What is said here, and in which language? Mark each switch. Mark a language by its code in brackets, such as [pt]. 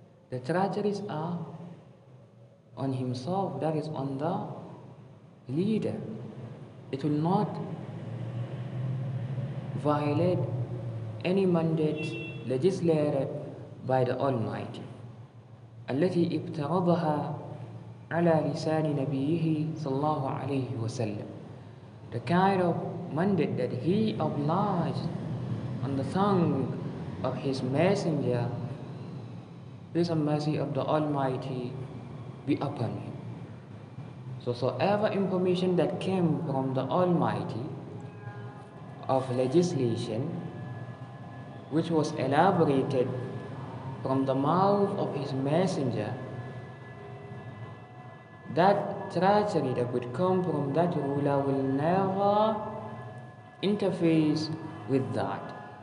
[en] The treacheries are on himself, that is on the leader. It will not violate any mandate legislated by the Almighty. [ar] التي ابترضها على لسان نبيه صلى الله عليه وسلم. [en] The kind of mandate that he obliged on the tongue of his messenger, peace and mercy of the Almighty be upon him. So ever information that came from the Almighty of legislation, which was elaborated from the mouth of his messenger, that treachery that would come from that ruler will never interface with that.